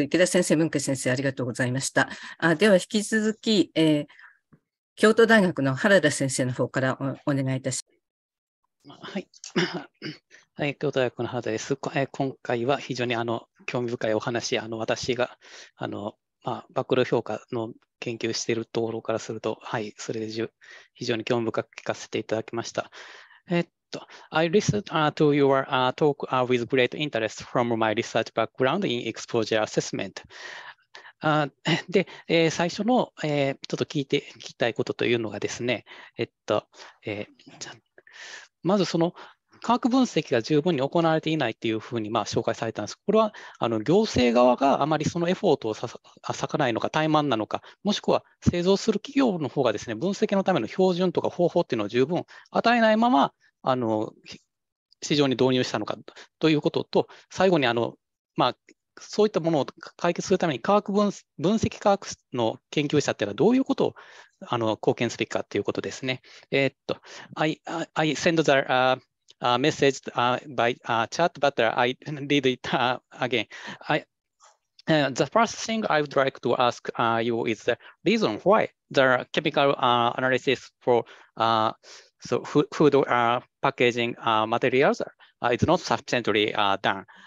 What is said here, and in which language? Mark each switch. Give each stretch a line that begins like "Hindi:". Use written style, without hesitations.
Japanese: 池田先生、文慶先生、ありがとうございました。では引き続き、京都大学の原田先生の方から お願いいたします。はい。はい、京都大学の原田です。今回は非常に興味深いお話、私が暴露評価の研究しているところからすると、はい、それで非常に興味深く聞かせていただきました。
English: I listened to your talk with great interest from my research background in exposure assessment.
Japanese: で、最初の、ちょっと聞きたいことというのがですね、まずその科学分析が十分に行われていないというふうに、まあ、紹介されたんですが、これはあの行政側があまりそのエフォートを割かないのか、怠慢なのか、もしくは製造する企業の方がですね、分析のための標準とか方法っていうのを十分与えないままあの市場に導入したのかということと、最後にあの、まあ、そういったものを解決するために科学 分析科学の研究者っていうのはどういうことをあの貢献すべきかということですね。
English: I send the message by chat, but I read it again. The first thing I would like to ask you is the reason why the chemical analysis for so food packaging materials is not sufficiently done.